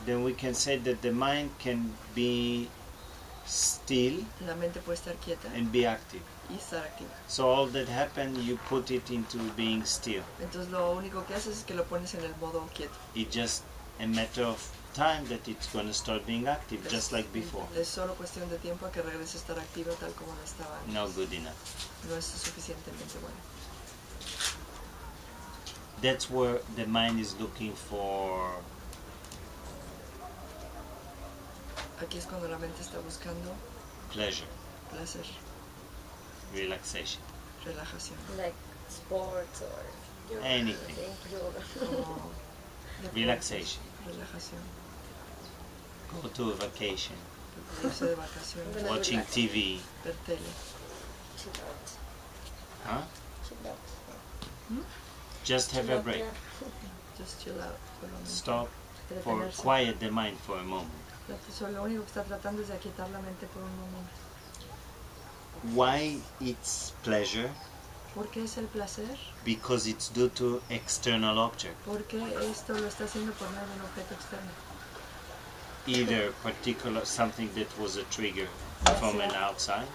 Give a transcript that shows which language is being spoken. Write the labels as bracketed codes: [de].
[en] Then we can say that the mind can be still. [es] La mente puede estar quieta. [en] And be active. [es] Y estar activa. [en] So all that happened, you put it into being still. [es] Entonces lo único que haces es que lo pones en el modo quieto. [en] It's just a matter of time that it's going to start being active, just like before. [es] Es solo cuestión de tiempo a que regrese a estar activa tal como estaba antes. [en] No good enough. [es] No es suficientemente bueno. [en] That's where the mind is looking for. [es] Aquí es cuando la mente está buscando [en] pleasure. [es] Placer. [en] Relaxation. [es] Relajación. [en] Like sports or yoga. Anything. Relaxation. [es] Relajación. [en] Go to a vacation. [es] Irse de vacaciones. [en] Watching TV. [es] Ver tele. [en] Chill out. Huh? Chill out. Just have a break. Just chill out for a moment. Stop for quiet the mind for a moment. [es] So, lo único que está tratando es de aquietar la mente por un momento. [en] Why it's pleasure? [es] ¿Por qué es el placer? [en] Because it's due to external object. [es] ¿Por qué esto lo está haciendo por medio de un objeto externo? [en] Either particular something that was a trigger from an outside,